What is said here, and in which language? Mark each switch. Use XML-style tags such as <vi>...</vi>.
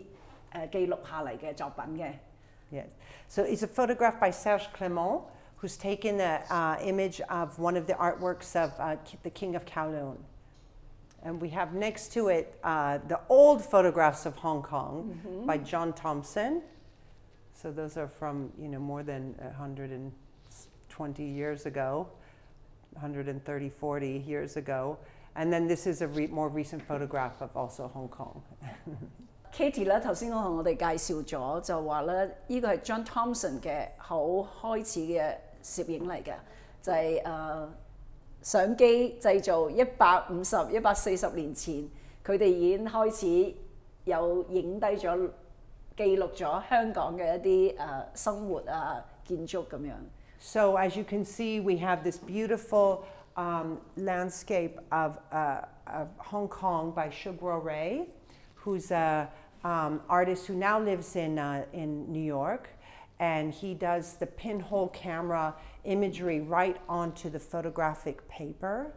<yue>我就發現了九龍皇帝有一張攝影師記錄下來的作品嘅。</yue> <en>Yes. So it's a photograph by Serge Clément, who's taken the image of one of the artworks of the King of Kowloon. And we have next to it the old photographs of Hong Kong mm-hmm. by John Thompson. So those are from, you know, more than 120 years ago, 130, 40 years ago. And then this is a more recent photograph of also Hong Kong.</en> <yue>Katie 咧，頭先我同我哋介紹咗，就話咧，依個係 John Thompson 嘅好開始嘅攝影嚟嘅，就係相機製造150、140年前，佢哋已經開始有影低咗、記錄咗香港嘅一啲生活啊、建築咁樣。</yue> <en>So as you can see, we have this beautiful landscape of Hong Kong by Shugro Ray, who's a artist who now lives in New York, and he does the pinhole camera imagery right onto the photographic paper.</en>